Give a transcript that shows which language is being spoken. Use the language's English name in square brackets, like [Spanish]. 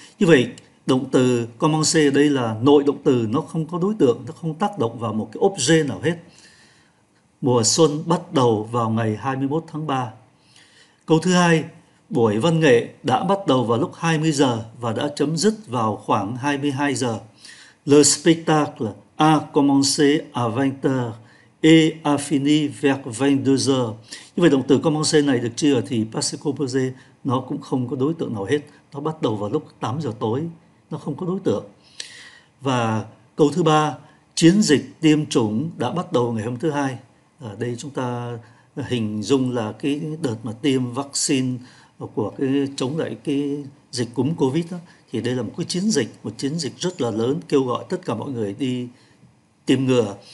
[Vietnamese] Như vậy, động từ commencer đây là nội động từ, nó không có đối tượng, nó không tác động vào một cái objet nào hết. Mùa xuân bắt đầu vào ngày 21 tháng 3. Câu thứ hai, buổi văn nghệ đã bắt đầu vào lúc 20 giờ và đã chấm dứt vào khoảng 22 giờ. [French] Le spectacle a commencé à 20h et a fini vers 22h. [Vietnamese] Như vậy động từ commencer này được chia thì passé composé nó cũng không có đối tượng nào hết. Nó bắt đầu vào lúc 8 giờ tối, nó không có đối tượng. Và câu thứ ba, chiến dịch tiêm chủng đã bắt đầu ngày hôm thứ hai. Ở đây chúng ta hình dung là cái đợt mà tiêm vaccine của cái chống lại cái dịch cúm COVID đó, thì đây là một chiến dịch rất là lớn, kêu gọi tất cả mọi người đi tiêm ngừa.